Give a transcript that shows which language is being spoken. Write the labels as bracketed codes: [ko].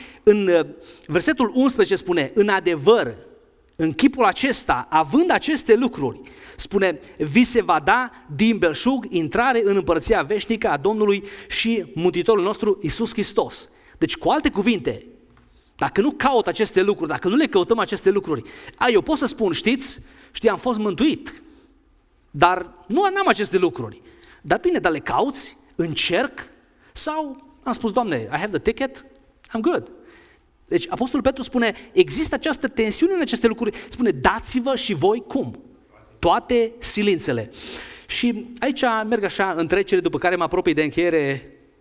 [ro] În versetul 11 spune, în adevăr, în chipul acesta, având aceste lucruri, spune, vi se va da din belșug intrare în împărăția veșnică a Domnului și Mântuitorului nostru Iisus Hristos. Deci cu alte cuvinte, dacă nu caut aceste lucruri, dacă nu le căutăm aceste lucruri, eu pot să spun, știi, am fost mântuit. Dar nu am aceste lucruri. Dar bine, dar le cauți? Încerc? Sau am spus, Doamne, [en] I have the ticket, I'm good. [ro] Deci Apostolul Petru spune, există această tensiune în aceste lucruri. Spune, dați-vă și voi cum? Toate silințele. Și aici merg așa în trecere, după care mă apropii de încheiere,